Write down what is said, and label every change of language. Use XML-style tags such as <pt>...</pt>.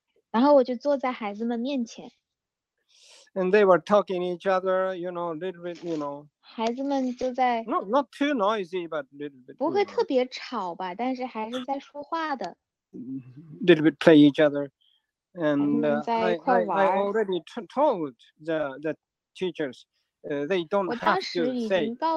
<zh>然后我就坐在孩子们面前。</zh> <en>And they were talking to each other, you know, a little bit, you know.</en> <zh>孩子们就在,</zh> <en>not too noisy, but a little bit.</en> <zh>不会特别吵吧, 但是还是在说话的。</zh> <en>A little bit play each other. And I already told the teachers, they don't have to say,</en>